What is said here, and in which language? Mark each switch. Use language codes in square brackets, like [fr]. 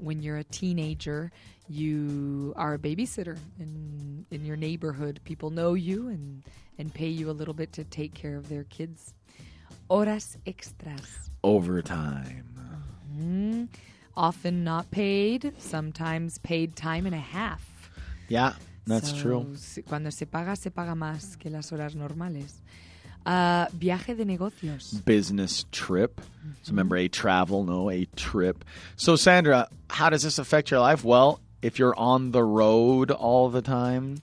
[en] When you're a teenager, you are a babysitter in your neighborhood. People know you and pay you a little bit to take care of their kids. [es] Horas extras. [en] Overtime. Mm-hmm. Often not paid, sometimes paid time and a half. Yeah, that's true. [es] Cuando se paga más que las horas normales. Viaje de negocios. [en] Business trip. Mm-hmm. So remember, a travel, no, a trip. So Sandra, how does this affect your life? Well, if you're on the road all the time.